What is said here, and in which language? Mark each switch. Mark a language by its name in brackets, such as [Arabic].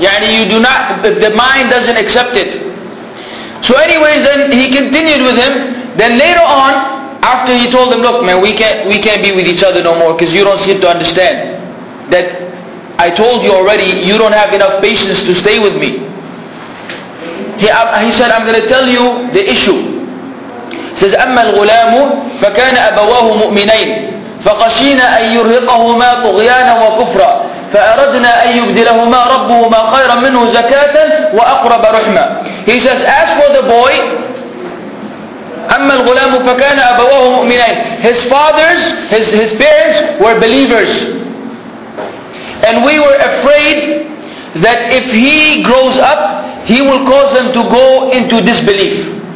[English] يعني you do not, the mind doesn't accept it. So anyways, then he continued with him. Then later on, after he told him, look man, we can't be with each other no more because you don't seem to understand that I told you already, you don't have enough patience to stay with me. He said, I'm going to tell you the issue. He says, [Arabic] أما الغلام فكان أبواه مؤمنين فقشينا أن يرهقهما طغيانا وكفرا فأردنا أن يبدلهما ربهما خيرا منه زكاة وأقرب رحما. [English] He says, as for the boy, [Arabic] أما الغلام فكان أبواه مؤمنين. [English] His fathers, his parents were believers. And we were afraid that if he grows up, he will cause them to go into disbelief.